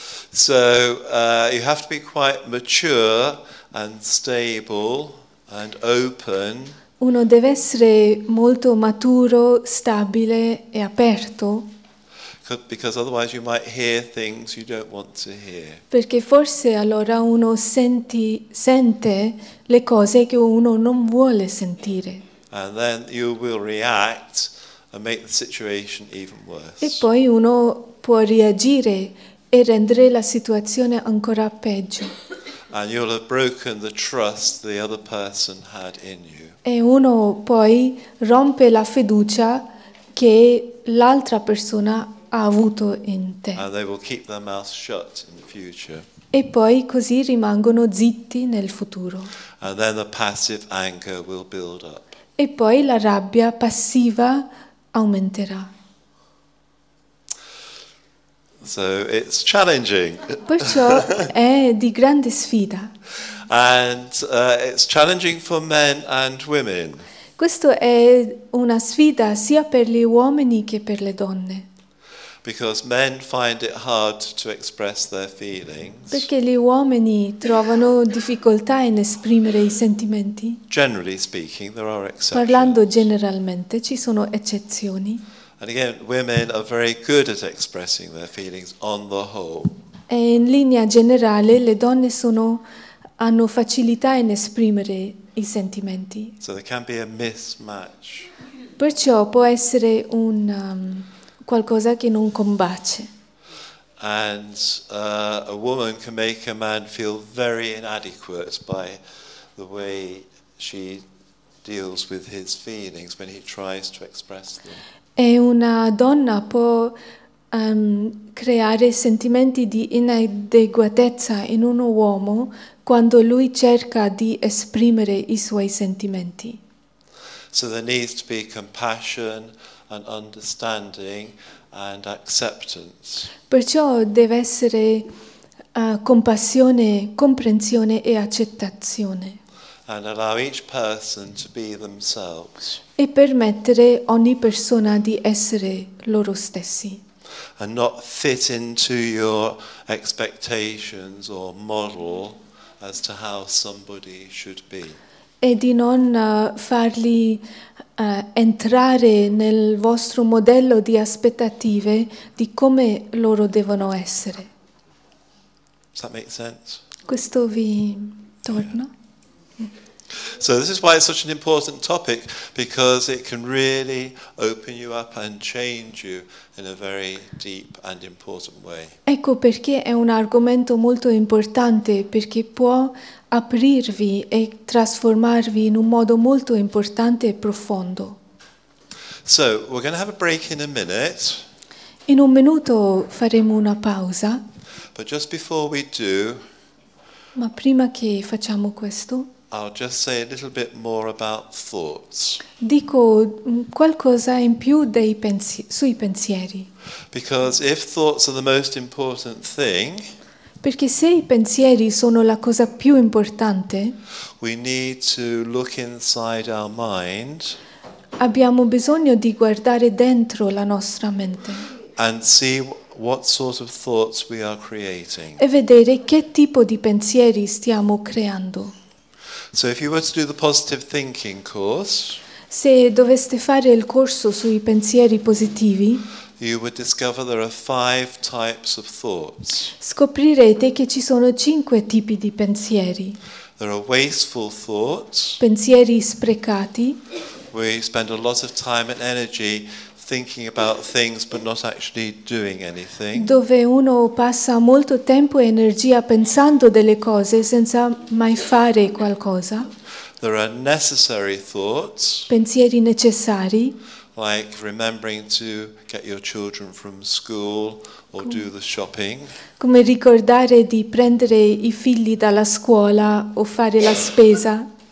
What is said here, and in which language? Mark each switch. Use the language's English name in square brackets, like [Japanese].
[English] So you have to be quite mature and stable and open. [Italian] Uno deve essere molto maturo, stabile e aperto. [English] Because otherwise you might hear things you don't want to hear. [Italian] Perché forse allora uno sente le cose che uno non vuole sentire. [English] And then you will react and make the situation even worse. [Italian] E poi uno può reagire e rendere la situazione ancora peggio. [English] And you'll have broken the trust the other person had in you. [Italian] E uno poi rompe la fiducia che l'altra persona ha avuto in te. [English] And they will keep their mouth shut in the future. [Italian] E poi così rimangono zitti nel futuro. [English] And then the passive anger will build up. [Italian] E poi la rabbia passiva aumenterà. [English] So it's challenging. [Italian] Perciò è di grande sfida. [English] And it's challenging for men and women. [Italian] Questo è una sfida sia per gli uomini che per le donne. [English] Because men find it hard to express their feelings. [Italian] Perché gli uomini trovano difficoltà in esprimere i sentimenti. [English] Generally speaking, there are exceptions. [Italian] Parlando generalmente, ci sono eccezioni. [English] And again, women are very good at expressing their feelings on the whole. [Italian] E in linea generale, le donne hanno facilità in esprimere i sentimenti. [English] So there can be a mismatch. [Italian] Perciò può essere un qualcosa che non combacia. [English] And a woman can make a man feel very inadequate by the way she deals with his feelings when he tries to express them. [Italian] E una donna può creare sentimenti di inadeguatezza in un uomo quando lui cerca di esprimere i suoi sentimenti. [English] So there needs to be compassion and understanding and acceptance. [Italian] Perciò deve essere compassione, comprensione e accettazione. [English] And allow each person to be themselves. [Italian] E permettere ogni persona di essere loro stessi. [English] And not fit into your expectations or model as to how somebody should be. [Italian] E di non farli entrare nel vostro modello di aspettative di come loro devono essere. [English] Does that make sense? [Italian] Questo vi torna? Yeah. [English] So this is why it's such an important topic, because it can really open you up and change you in a very deep and important way. [Italian] Ecco perché è un argomento molto importante, perché può aprirvi e trasformarvi in un modo molto importante e profondo. [English] So we're going to have a break in a minute. [Italian] In un minuto faremo una pausa. [English] But just before we do. [Italian] Ma prima che facciamo questo. [English] I'll just say a little bit more about thoughts. [Italian] Dico qualcosa in più sui pensieri. [English] Because if thoughts are the most important thing, [Italian] perché se i pensieri sono la cosa più importante, [English] we need to look inside our mind. [Italian] Abbiamo bisogno di guardare dentro la nostra mente. [English] And see what sort of thoughts we are creating. [Italian] E vedere che tipo di pensieri stiamo creando. [English] So if you were to do the positive thinking course, [Italian] se doveste fare il corso sui pensieri positivi, [English] you would discover there are five types of thoughts. [Italian] Scoprirete che ci sono cinque tipi di pensieri. [English] There are wasteful thoughts. [Italian] Pensieri sprecati. [English] We spend a lot of time and energy thinking about things but not actually doing anything. [Italian] Dove uno passa molto tempo e energia pensando delle cose senza mai fare qualcosa. [English] There are necessary thoughts. [Italian] Pensieri necessari. [English] Like remembering to get your children from school or do the shopping. [Italian] Come ricordare di prendere i figli dalla scuola o fare la spesa.